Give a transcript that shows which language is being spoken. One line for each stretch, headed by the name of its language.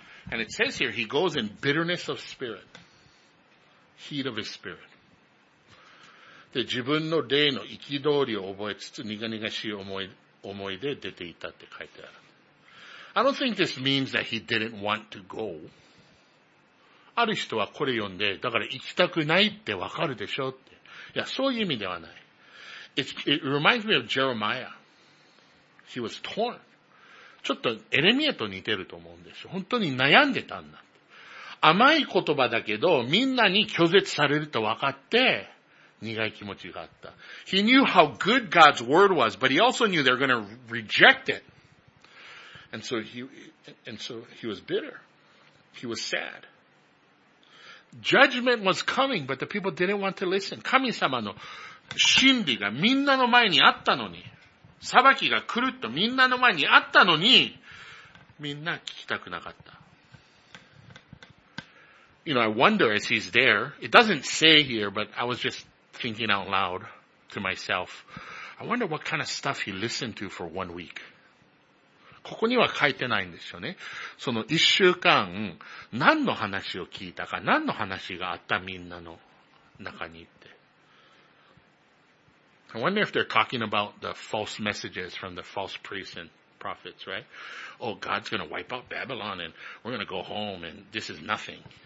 English: And it says here, he goes in bitterness of spirit. Heat of his spirit.
Japanese: で、自分の霊の憤りを覚えつつ、苦々しい思いで出ていたって書いてある。
English: I don't think this means that he didn't want to go.
Japanese: ある人はこれ読んで、だから行きたくないってわかるでしょって。いや、そういう意味ではない。
English: It reminds me of Jeremiah. He was torn.
Japanese: ちょっとエレミエと似てると思うんですよ。本当に悩んでたんだ。甘い言葉だけど、みんなに拒絶されると分かって、苦い気持ちがあった。
English: He knew how good God's word was, but he also knew they're gonna reject it. And so he was bitter. He was sad. Judgment was coming, but the people didn't want to listen.
Japanese: 神様の真理がみんなの前にあったのに。裁きが来るとみんなの前にあったのに、みんな聞きたくなかった。
English: You know, I wonder as he's there, it doesn't say here, but I was just thinking out loud to myself, I wonder what kind of stuff he listened to for 1 week.
Japanese: ここには書いてないんですよね。その一週間、何の話を聞いたか、何の話があったみんなの中にって。
English: I wonder if they're talking about the false messages from the false priests and prophets, right? Oh, God's going to wipe out Babylon and we're going to go home and this is nothing.